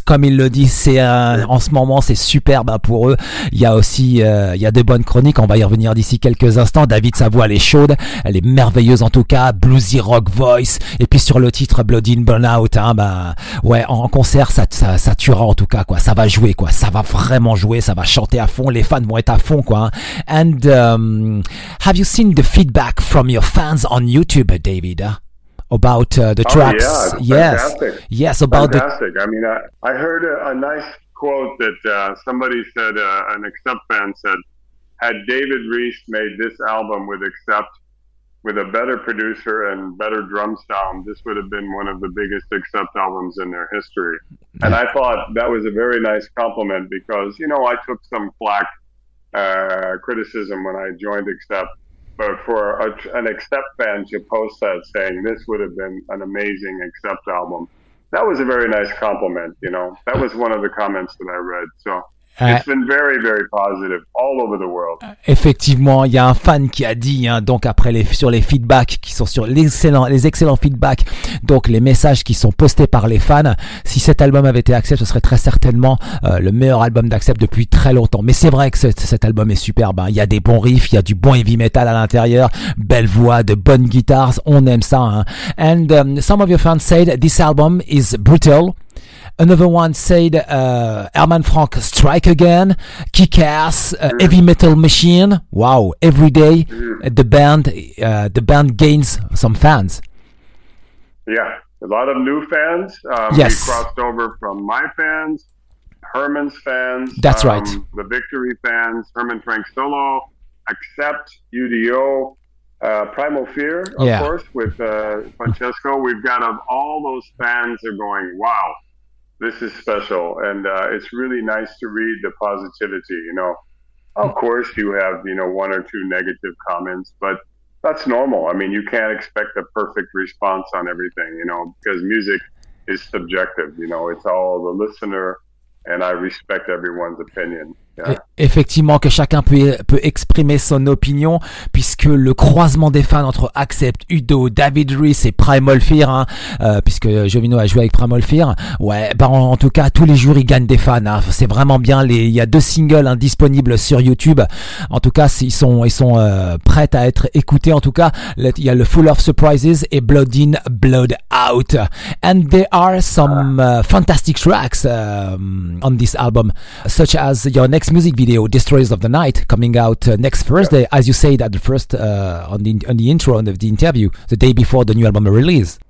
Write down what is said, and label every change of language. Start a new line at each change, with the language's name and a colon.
French: Comme il le dit, c'est en ce moment, c'est superbe hein, pour eux. Il y a aussi, il y a de bonnes chroniques. On va y revenir d'ici quelques instants. David, sa voix, elle est chaude. Elle est merveilleuse en tout cas.
English: Bluesy rock voice.
French: Et puis sur le titre, Blood In, Burn Out, hein, bah, ouais, en concert, ça tuera en tout cas, quoi. Ça va jouer, quoi. Ça va vraiment jouer. Ça va chanter à fond. Les fans vont être à fond, quoi.
English: And, have you seen the feedback from your fans on YouTube, David? About the tracks. Oh, yeah. Fantastic. Yes. Yes, about fantastic. The... I mean, I heard a nice quote that somebody said, an Accept fan said, had David Reese made this album with Accept with a better producer and better drum sound, this would have been one of the biggest Accept albums in their history. Yeah. And I thought that was a very nice compliment because, you know, I took some flack criticism when I joined Accept. But for an Accept fan to post that saying this would have been an amazing Accept album, that was a very nice compliment, you know. That was one of the comments that I read, so... It's been very, very positive all over the world.
French: Effectivement, il y a un fan qui a dit, hein, donc après les, sur les feedbacks qui sont sur les excellents feedbacks, donc les messages qui sont postés par les fans, si cet album avait été Accept, ce serait très certainement le meilleur album d'Accept depuis très longtemps. Mais c'est vrai que cet album est superbe, hein. Il y a des bons riffs, il y a du bon heavy metal à l'intérieur, belle voix, de bonnes guitares, on aime ça, hein.
English: And some of your fans said this album is brutal. Another one said, Herman Frank, strike again, kick ass, heavy metal machine. Wow, every day the band gains some fans. Yeah, a lot of new fans. Yes. We crossed over from my fans, Herman's fans. That's right. The Victory fans, Herman Frank solo, Accept, UDO, Primal Fear, of course, with Francesco. We've got all those fans are going, wow. This is special, and it's really nice to read the positivity. You know, of course, you have, you know, one or two negative comments, but that's normal. I mean, you can't expect a perfect response on everything, you know, because music is subjective. You know, it's all the listener, and I respect everyone's opinion. Yeah.
French: Effectivement, que chacun peut exprimer son opinion, puisque le croisement des fans entre Accept, Udo, David Rees et Primal Fear, hein, puisque Jovino a joué avec Primal Fear, ouais, bah en tout cas tous les jours ils gagnent des fans, hein, c'est vraiment bien. Il y a deux singles, hein, disponibles sur YouTube, en tout cas ils sont prêts à être écoutés. En tout cas, il y a le Full of Surprises et Blood In, Blood Out,
English: and there are some fantastic tracks on this album, such as your next music video, Destroyers of the Night, coming out next Thursday, as you said at the first on the intro of the interview, the day before the new album release.